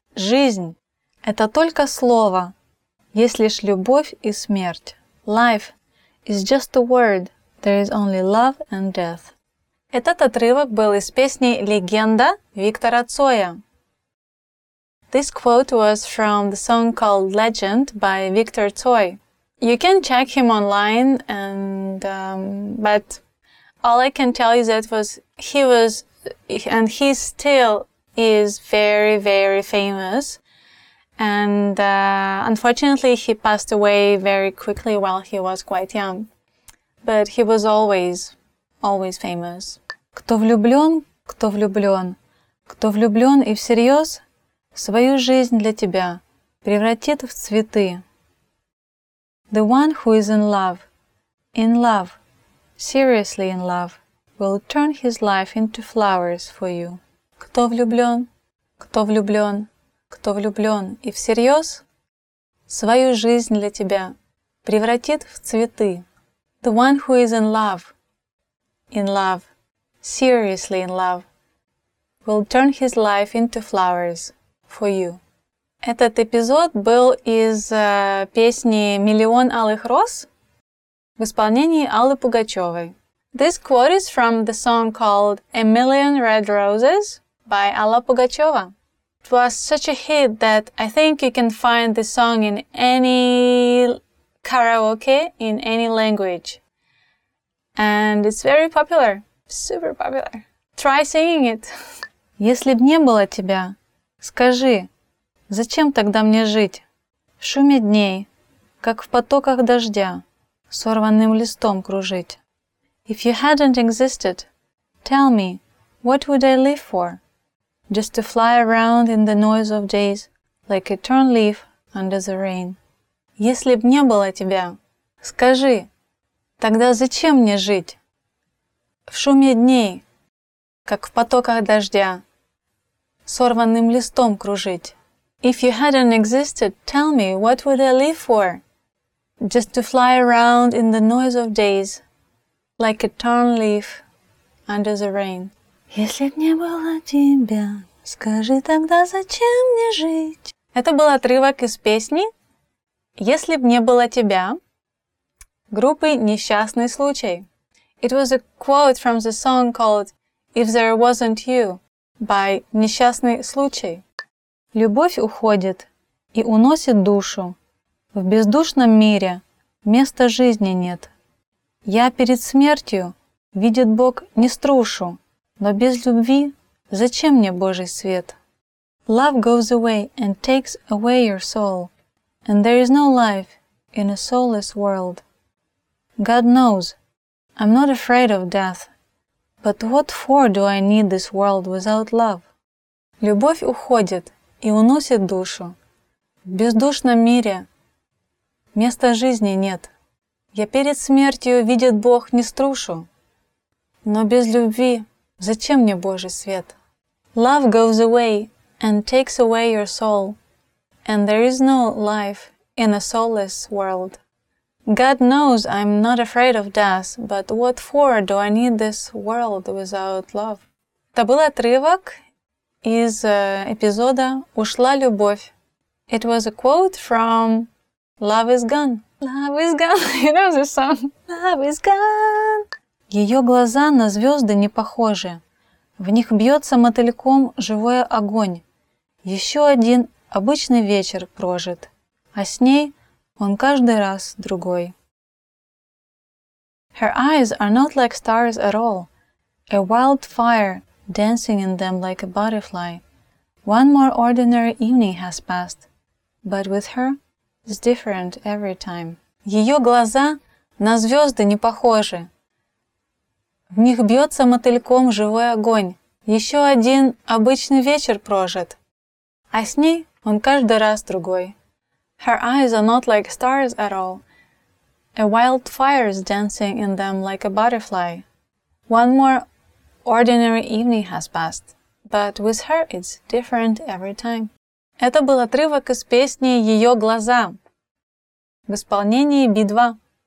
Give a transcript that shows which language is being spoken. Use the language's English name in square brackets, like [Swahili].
[Russian] Жизнь – это только слово, есть лишь любовь и смерть. [English] Life is just a word. There is only love and death. [Russian] Этот отрывок был из песни «Легенда» Виктора Цоя. [English] This quote was from the song called «Legend» by Victor Tsoi. You can check him online, but all I can tell you that was he was, and he still is very, very famous. And unfortunately, he passed away very quickly while he was quite young. But he was always, always famous. [Russian] Кто влюблён, кто влюблён. Кто влюблён и всерьёз, свою жизнь для тебя превратит в цветы. [English] The one who is in love, seriously in love, will turn his life into flowers for you. [Russian] Кто влюблён, кто влюблён. Кто влюблён и всерьёз, свою жизнь для тебя превратит в цветы. [English] The one who is in love, seriously in love, will turn his life into flowers for you. [Russian] Этот эпизод был из песни «Миллион алых роз» в исполнении Аллы Пугачёвой. [English] This quote is from the song called «A Million Red Roses» by Алла Пугачёва. It was such a hit that I think you can find the song in any karaoke, in any language. And it's very popular, super popular. Try singing it. [Russian] Если б не было тебя, скажи, зачем тогда мне жить? В шуме дней, как в потоках дождя, сорванным листом кружить. [English] If you hadn't existed, tell me, what would I live for? Just to fly around in the noise of days, like a torn leaf under the rain. [Russian] Если б не было тебя, скажи, тогда зачем мне жить в шуме дней, как в потоках дождя, сорванным листом кружить? [English] If you hadn't existed, tell me, what would I live for? Just to fly around in the noise of days, like a torn leaf under the rain. [Russian] Если б не было тебя, скажи, тогда зачем мне жить? Это был отрывок из песни «Если б не было тебя» группы «Несчастный случай». [English] It was a quote from the song called «If there wasn't you» by «Несчастный случай». [Russian] Любовь уходит и уносит душу. В бездушном мире места жизни нет. Я перед смертью, видит Бог, не струшу. Но без любви зачем мне Божий свет? [English] Love goes away and takes away your soul. And there is no life in a soulless world. God knows, I'm not afraid of death, but what for do I need this world without love? [Russian] Любовь уходит и уносит душу. В бездушном мире места жизни нет. Я перед смертью, видит Бог, не струшу. Но без любви зачем мне Божий свет? [English] Love goes away and takes away your soul, and there is no life in a soulless world. God knows I'm not afraid of death, but what for do I need this world without love? [Russian] Это был отрывок из эпизода «Ушла любовь». [English] It was a quote from «Love is gone». Love is gone, you know this song. Love is gone. [Russian] Ее глаза на звезды не похожи. В них бьется мотыльком живой огонь. Еще один обычный вечер прожит, а с ней он каждый раз другой. [English] Her eyes are not like stars at all, a wildfire dancing in them like a butterfly. One more ordinary evening has passed, but with her, it's different every time. [Russian] Ее глаза на звезды не похожи. В них бьется мотыльком живой огонь. Еще один обычный вечер прожит, а с ней он каждый раз другой. [English] Her eyes are not like stars at all. A wild fire is dancing in them like a butterfly. One more ordinary evening has passed, but with her it's different every time. [Russian] Это был отрывок из песни «Ее глаза» в исполнении Би-2.